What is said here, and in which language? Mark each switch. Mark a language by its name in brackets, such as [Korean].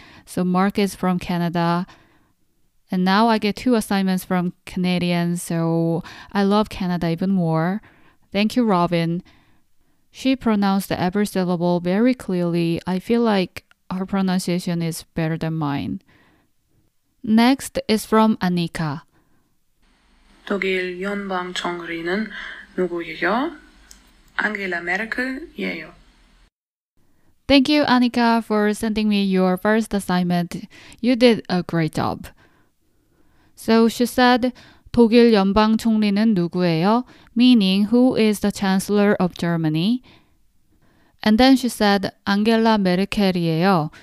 [English] So Mark is from Canada. And now I get two assignments from Canadians, so I love Canada even more. Thank you, Robin. She pronounced every syllable very clearly. I feel like her pronunciation is better than mine. Next is from Anika. [Korean] 독일 연방 총리는 누구예요? Angela Merkel예요. [English] Thank you, Anika, for sending me your first assignment. You did a great job. So she said, [Korean] 독일 연방 총리는 누구예요? [English] Meaning, who is the Chancellor of Germany? And then she said, [Korean] Angela Merkel이에요.